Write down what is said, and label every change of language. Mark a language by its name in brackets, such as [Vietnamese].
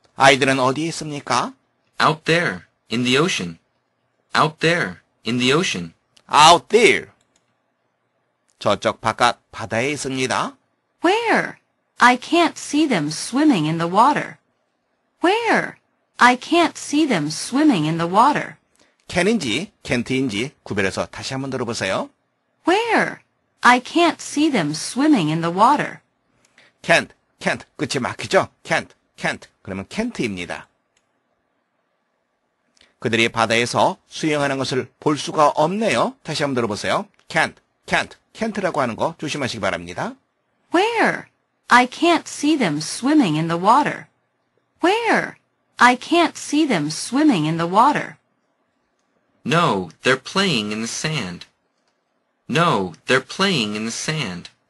[Korean] 아이들은 어디에 있습니까? [English] Out there, in the ocean. Out there, in the ocean. Out there. [Korean] 저쪽 바깥 바다에 있습니다. [English] Where? I can't see them swimming in the water. Where? I can't see them swimming in the water. [Korean] Can인지 can't인지 구별해서 다시 한번 들어보세요. [English] Where? I can't see them swimming in the water. Can't, can't [Korean] 끝이 막히죠? [English] Can't, can't [Korean] 그러면 can't입니다. 그들이 바다에서 수영하는 것을 볼 수가 없네요. 다시 한번 들어보세요. [English] Can't, can't, can't [Korean] 라고 하는 거 조심하시기 바랍니다. [English] Where? I can't see them swimming in the water. Where? I can't see them swimming in the water. No, they're playing in the sand. No, they're playing in the sand.